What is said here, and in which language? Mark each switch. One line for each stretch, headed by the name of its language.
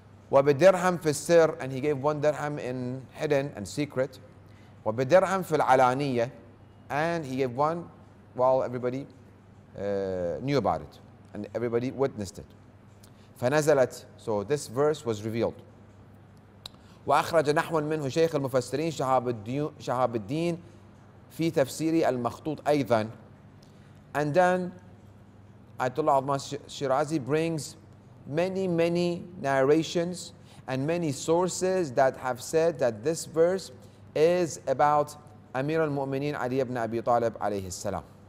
Arabic: وبالدرهم في السر,
English: and he gave one dirham in hidden and secret.
Arabic: وبالدرهم في العلانية,
English: and he gave one while everybody knew about it and everybody witnessed it. فنزلت, so this verse was revealed.
Arabic: وأخرج نحو منه شيخ المفسرين شهاب الدين في تفسير المخطوط أيضا.
English: And then Ayatollah Azman Shirazi brings many, many narrations and many sources that have said that this verse is about Amir al-Mu'mineen Ali ibn Abi Talib alayhi salam.